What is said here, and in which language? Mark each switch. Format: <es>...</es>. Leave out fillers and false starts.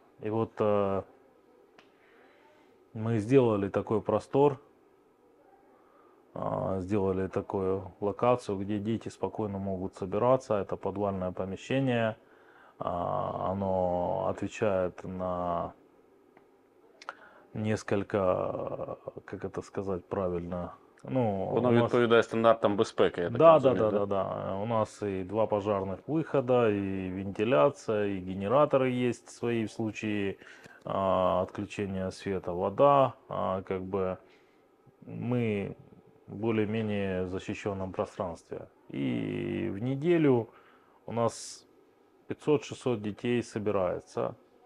<ru>И вот мы сделали такой простор, сделали такую локацию, где дети спокойно могут собираться. Это подвальное помещение, оно отвечает на несколько, как это сказать правильно, ну, у</ru> <uk>Воно</uk> <ru>нас,</ru> <uk>відповідає стандартам безпеки, я так розумію, да?</uk> <ru>да, у нас и два пожарных выхода, и вентиляция, и генераторы есть свои в случае отключения света, вода, как бы мы в более-менее защищенном пространстве. И в неделю у нас 500-600 детей собирается.</ru>